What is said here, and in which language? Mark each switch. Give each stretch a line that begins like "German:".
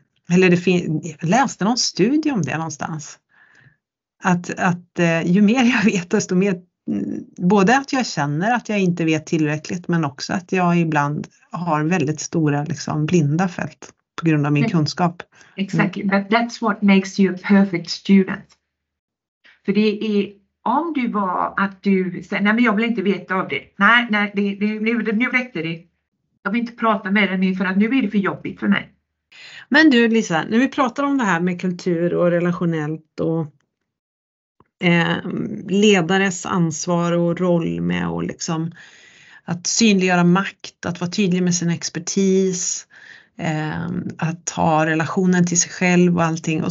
Swedish: Eller det läste någon studie om det någonstans. Att ju mer jag vet desto mer, både att jag känner att jag inte vet tillräckligt men också att jag ibland har väldigt stora liksom, blinda fält på grund av min kunskap.
English: Exactly, but that's what makes you a perfect student.
Swedish: För det är, om du var att du säger, nej men jag vill inte veta av det. Nej, nej, nu räcker det. Jag vill inte prata med dig för att nu är det för jobbigt för mig. Men du Lisa, när vi pratar om det här med kultur och relationellt och ledares ansvar och roll med och liksom att synliggöra makt, att vara tydlig med sin expertis, att ha relationen till sig själv och allting.